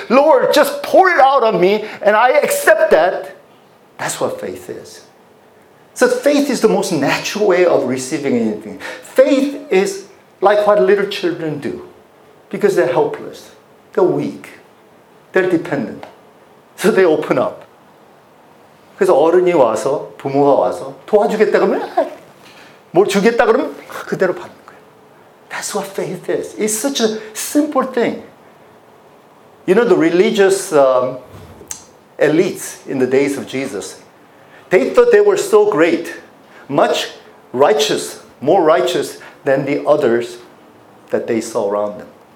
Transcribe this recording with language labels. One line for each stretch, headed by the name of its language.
English: Lord, just pour it out on me and I accept that. That's what faith is. So faith is the most natural way of receiving anything. Faith is like what little children do because they're helpless. They're weak. They're dependent. So they open up.
Korean: 그래서 어른이 와서, 부모가 와서 도와주겠다 그러면 뭘 주겠다 그러면 그대로 받는 거예요.
English: That's what faith is. It's such a simple thing. You know, the religious elites in the days of Jesus, they thought they were so great, much righteous, more righteous than the others that they saw around them.